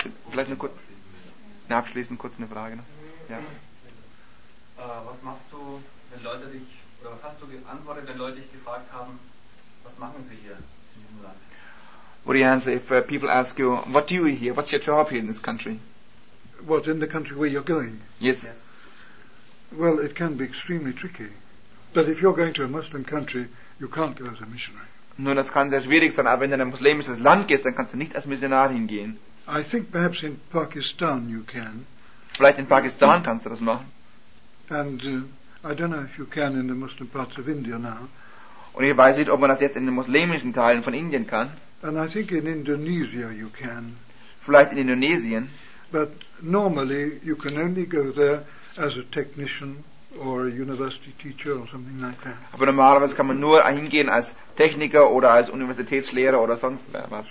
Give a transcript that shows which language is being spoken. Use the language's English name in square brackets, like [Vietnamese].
[German] vielleicht nur kurz abschließend kurz eine Frage noch. Ja. Was machst du, wenn Leute dich, oder was hast du geantwortet, wenn Leute dich gefragt haben, was machen sie hier in diesem Land? [English] What do you answer if people ask you, what do you here, what's your job here in this country? What, in the country where you're going? Yes. Well, it can be extremely tricky. But if you're going to a Muslim country, you can't go as a missionary. [German] Nun, das kann sehr schwierig sein, aber wenn du in ein muslimisches Land gehst, dann kannst du nicht als Missionar hingehen. [English] I think perhaps in Pakistan you can. [German] Vielleicht in Pakistan kannst du das machen. [English] And I don't know if you can in the Muslim parts of India now. [German] Und ich weiß nicht, ob man das jetzt in den muslimischen Teilen von Indien kann. [English] And I think in Indonesia you can. [German] Vielleicht in Indonesien. [English] But normally you can only go there as a technician or a university teacher or something like that. [German] Aber normalerweise kann man nur hingehen als Techniker oder als Universitätslehrer oder sonst was.